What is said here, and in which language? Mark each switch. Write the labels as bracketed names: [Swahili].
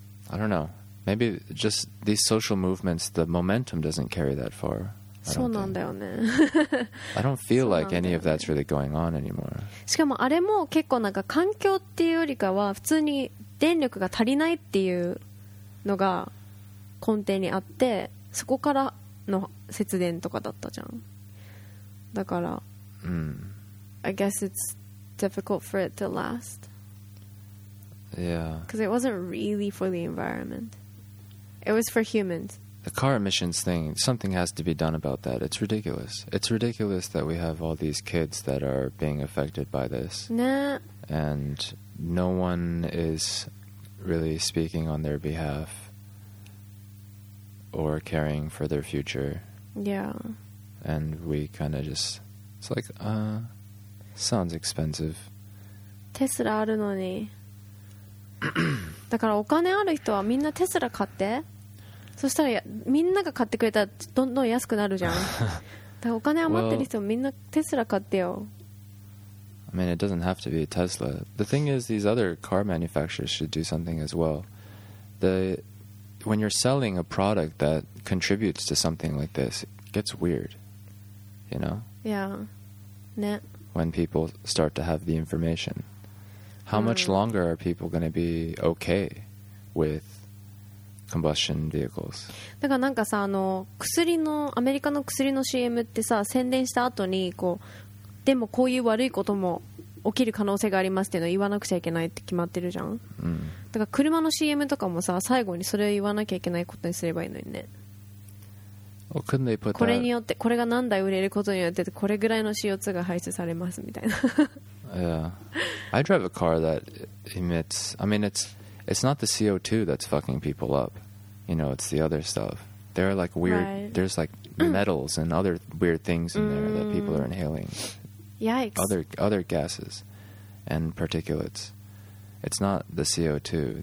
[English] I don't know. Maybe just these social movements, the momentum doesn't carry that far. [Japanese] そうなんだよね。 [English] I don't feel like any of that's really going on anymore. [Japanese] しかもあれも結構なんか環境っていうよりかは普通に電力が足りないっていうのが根底にあって、そこからの節電とかだったじゃん。だから、 [English] I guess it's difficult for it to last. Yeah. Because it wasn't really for the environment. It was for humans. The car emissions thing, something has to be done about that. It's ridiculous. It's ridiculous that we have all these kids that are being affected by this. Nah. And no one is really speaking on their behalf or caring for their future. Yeah. And we kind of just, it's like, sounds expensive. [Japanese] テスラあるのに。だからお金ある人はみんなテスラ買って。そしたらみんなが買ってくれたらどんどん安くなるじゃん。だからお金余ってる人みんなテスラ買ってよ。 [English] Well, I mean, it doesn't have to be a Tesla. The thing is, these other car manufacturers should do something as well. When you're selling a product that contributes to something like this, it gets weird, you know? Yeah. ね。 When people start to have the information. How much longer are people going to be okay withcombustion vehicles. [Japanese] だからなんかさ、あの薬のアメリカの薬の CM ってさ、宣伝した後にこう、でもこういう悪いことも起きる可能性がありますっていうのを言わなくちゃいけないって決まってるじゃん。だから車の CM とかもさ、最後にそれを言わなきゃいけないことにすればいいのにね。 [English] Well, couldn't they put that? [Japanese] これによって、これが何台売れることによってこれぐらいの CO2 が排出されますみたいな。 [English] Yeah. I drive a car that emits. I mean, It's not the CO2 that's fucking people up. You know, it's the other stuff. There are like weird... Right. There's like metals and other weird things in there that people are inhaling. Yikes. Other gases and particulates. It's not the CO2.